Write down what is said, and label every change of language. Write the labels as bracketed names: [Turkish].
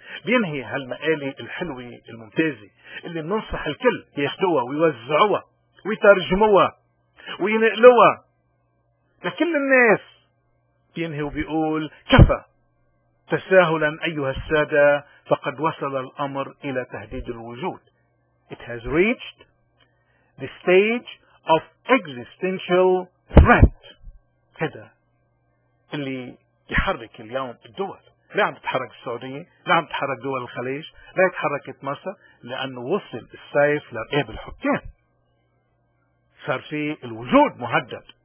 [Arabic] بينهي هالمقالي الحلوي الممتازي اللي بننصح الكل ياخدوها ويوزعوها ويترجموها وينقلوها لكل الناس، ينهي وبيقول: كفى تساهلا أيها السادة، فقد وصل الأمر إلى تهديد الوجود. [English] It has reached the stage of existential threat. [Arabic] هذا اللي يحرك اليوم الدول. لا عم تتحرك السعودية، لا عم تتحرك دول الخليج، لا تحركت مصر، لأنه وصل السيف لرقاب الحكام، صار في الوجود مهدد.